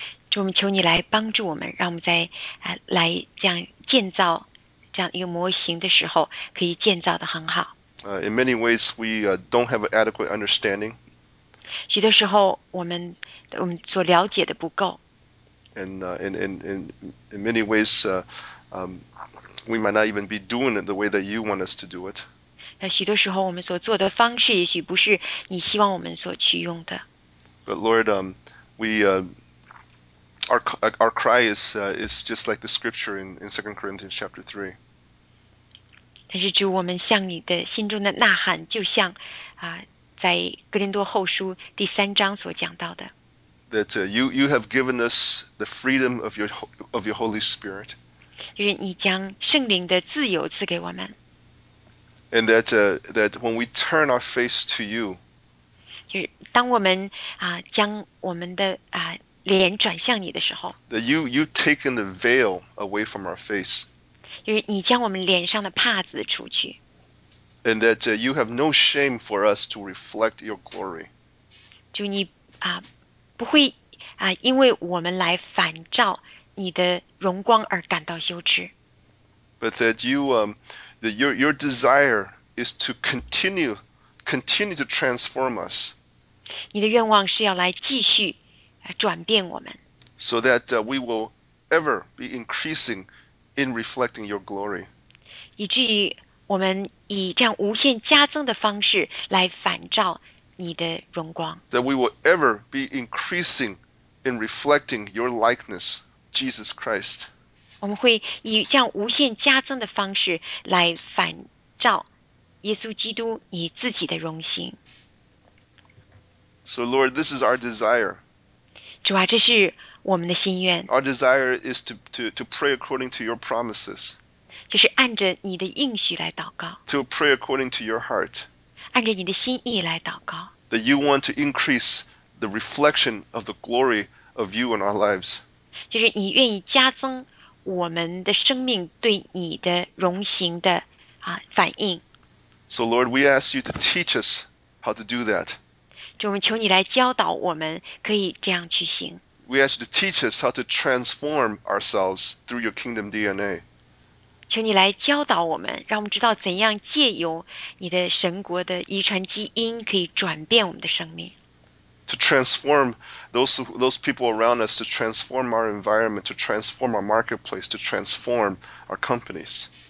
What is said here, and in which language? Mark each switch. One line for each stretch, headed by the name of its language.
Chinese: 主，我们求你来帮助我们，让我们在来这样建造这样一个模型的时候，可以建造得很好。
English: In many ways, we don't have an adequate understanding.
Chinese: 许多时候我们所了解的不够。
English: And in many ways, we might not even be doing it the way that you want us to do it.
Chinese: 那许多时候我们所做的方式也许不是你希望我们所去用的。
English: But Lord, our cry is just like the scripture in 2 Corinthians chapter 3.
Chinese: 但是主，我们向你的心中的呐喊，就像啊，在哥林多后书第三章所讲到的。
English: That you have given us the freedom of your Holy Spirit.
Chinese: 就是你将圣灵的自由赐给我们。
English: And that when we turn our face to you.
Chinese: 就是当我们啊将我们的啊脸转向你的时候。
English: That you taken the veil away from our face.
Chinese: 就是你将我们脸上的帕子除去。
English: And that you have no shame for us to reflect your glory.
Chinese: 就你啊不会啊因为我们来反照你的荣光而感到羞耻。
English: But that your desire is to continue to transform us.
Chinese: 你的愿望是要来继续转变我们。
English: So that we will ever be increasing. In reflecting your glory.
Chinese: 以至于我们以这样无限加增的方式来反照你的荣光。
English: That we will ever be increasing in reflecting your likeness, Jesus Christ.
Chinese: 我们会以这样无限加增的方式来反照耶稣基督你自己的荣形。
English: So Lord, this is our desire.
Chinese: 主啊，这是我们的心愿。
English: Our desire is to pray according to your promises.
Chinese: 就是按着你的应许来祷告。
English: To pray according to your heart.
Chinese: 按着你的心意来祷告。
English: That you want to increase the reflection of the glory of you in our lives.
Chinese: 就是你愿意加增我们的生命对你的荣形的反应。
English: So Lord, we ask you to teach us how to do that.
Chinese: 就我们求你来教导我们可以这样去行。
English: We ask you to teach us how to transform ourselves through your kingdom DNA.
Chinese: 求你来教导我们，让我们知道怎样借由你的神国的遗传基因可以转变我们的生命。
English: To transform those people around us, to transform our environment, to transform our marketplace, to transform our companies.